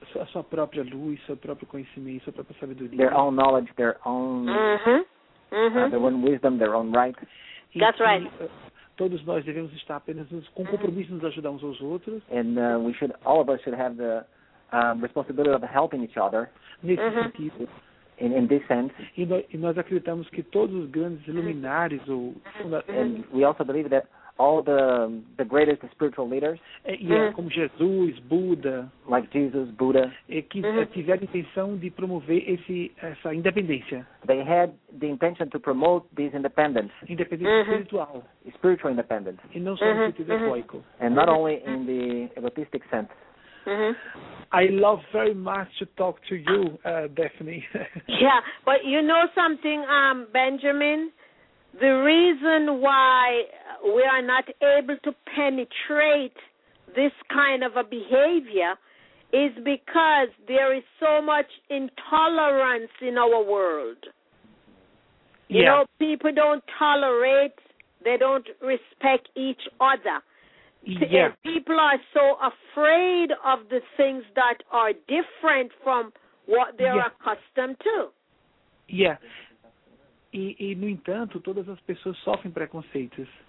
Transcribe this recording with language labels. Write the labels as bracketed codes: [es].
[pt] sua própria luz, seu próprio conhecimento, sua própria sabedoria. [en] Their own knowledge, their own, their own wisdom, their own right. That's right. [pt] Todos nós devemos estar apenas com compromisso nos ajudar uns aos outros. [en] And we should, all of us should have the responsibility of helping each other. [pt] Nesse sentido. [en] In this sense. [pt] E nós acreditamos que todos os grandes iluminares ou [en] And we also believe that all the greatest spiritual leaders, [pt] como Jesus, Buda, [en] like Jesus, Buddha, [pt] que tiveram a intenção de promover essa independência. [en] They had the intention to promote this independence. [pt] Independência espiritual. [en] Spiritual independence. [pt] E não só no sentido egoico. [en] And not only in the egotistic sense. I love very much to talk to you, Daphne. Yeah, but you know something, Benjamin? The reason why we are not able to penetrate this kind of a behavior is because there is so much intolerance in our world. You know, people don't tolerate, they don't respect each other. Yeah. People are so afraid of the things that are different from what they're accustomed to. Yeah. [pt] E no entanto, todas as pessoas sofrem preconceitos.